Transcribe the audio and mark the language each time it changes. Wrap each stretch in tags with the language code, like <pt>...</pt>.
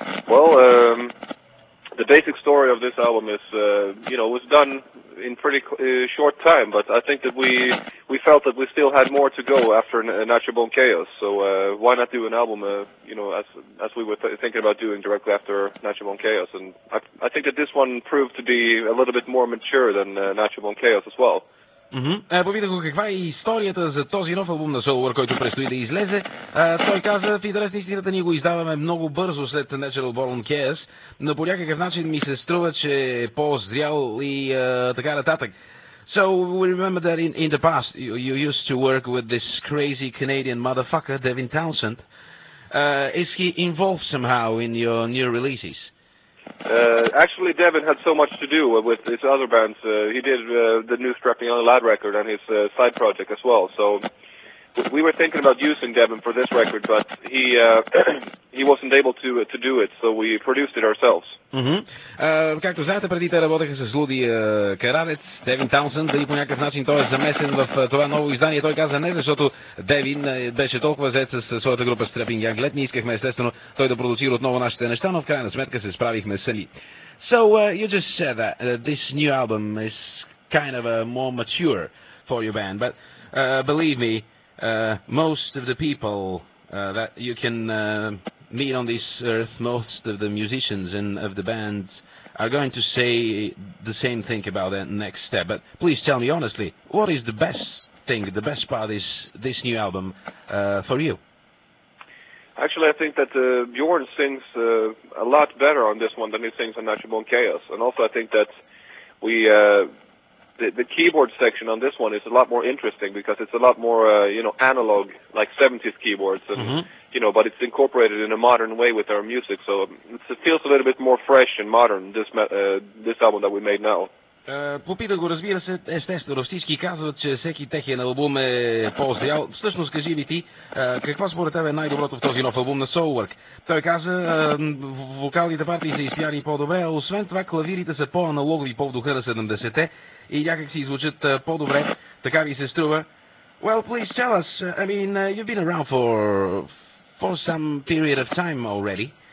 <en>Well, the basic story of this album is, you know, it was done in pretty short time, but I think that we felt that we still had more to go after Natural Born Chaos, so why not do an album, you know, as we were thinking about doing directly after Natural Born Chaos, and I think that this one proved to be a little bit more mature than Natural Born Chaos as well.</en> <bg>Попитах го каква е историята за този нов албум на Soulwork, който предстои да излезе. Той каза, в интерес на истината, ние го издаваме много бързо след Natural Born Chaos, но по някакъв начин ми се струва, че е по-зрял и така нататък.</bg> <en>So we remember that in the past you used to work with this crazy Canadian motherfucker, Devin Townsend. Is he involved somehow in your new releases? Actually, Devin had so much to do with his other bands. He did the new Strapping on the Lad record and his side project as well. So we were thinking about using Devin for this record, but he he wasn't able to do it, so we produced it ourselves.</en> <bg>Както знаете, преди те работеха с Луди Каранец, Девин Таунсенд, дали по някакъв начин той е замесен в това ново издание. Той каза не, защото Девин беше толкова зает с своята група Strapping Young Lad. Ние искахме, естествено, той да продуцира отново нашите неща, но в крайна сметка се справихме сами.</bg> <en>So, you just said that this new album is kind of more mature for your band, but believe me, most of the people that you can meet on this earth, most of the musicians and of the bands are going to say the same thing about that next step. But please tell me honestly, what is the best thing, the best part is this new album for you? Actually, I think that Bjorn sings a lot better on this one than he sings on Natural Born Chaos. And also I think that we... The keyboard section on this one is a lot more interesting because it's a lot more, you know, analog, like 70s keyboards, and, you know, but it's incorporated in a modern way with our music, so it feels a little bit more fresh and modern, this album that we made now.</en> <bg>Попита го, разбира се, естествено, всички казват, че всеки техен албум е по-зрял. Всъщност, кажи ми ти, какво според тебе е най-доброто в този нов албум на Soulwork? Той каза, вокалните партии са изпяни по-добре, а освен това клавирите са по-аналогови, по-вдуха на 70-те и някак си звучат по-добре, така ми се струва.</bg> <en>Well, please tell us, I mean, you've been around for some period of time already.</en>